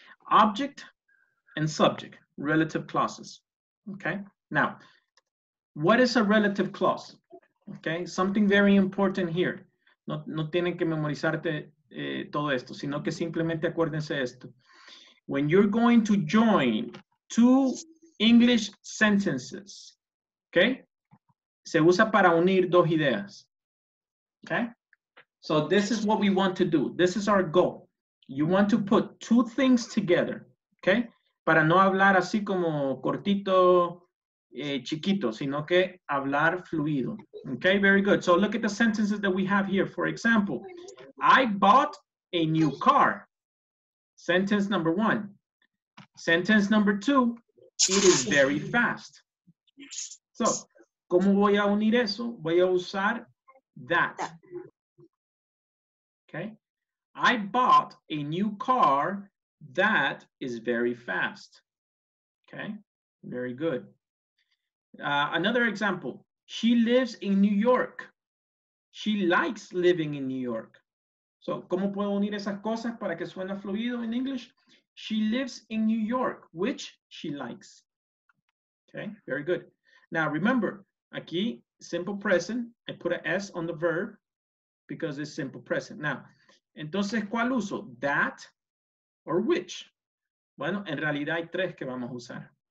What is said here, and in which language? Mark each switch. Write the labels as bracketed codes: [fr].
[en] Object and subject, relative clauses, okay? Now, what is a relative clause? Okay, something very important here. [es] No tienen que memorizarte todo esto, sino que simplemente acuérdense esto. [en] When you're going to join two English sentences, okay? [es] Se usa para unir dos ideas, okay? [en] So this is what we want to do. This is our goal. You want to put two things together, okay? [es] Para no hablar así como cortito, chiquito, sino que hablar fluido. [en] Okay, very good. So look at the sentences that we have here. For example, I bought a new car. Sentence number one. Sentence number two, it is very fast. [es] So, ¿cómo voy a unir eso? Voy a usar that. [en] Okay. I bought a new car. That is very fast. Okay, very good. Another example, she lives in New York. She likes living in New York. [es] So, ¿cómo puedo unir esas cosas para que suene fluido [en] in English? She lives in New York, which she likes. Okay, very good. Now remember, aquí, simple present, I put an S on the verb because it's simple present. [es] Now, entonces, ¿cuál uso? That or which? Bueno, en realidad hay tres que vamos a usar.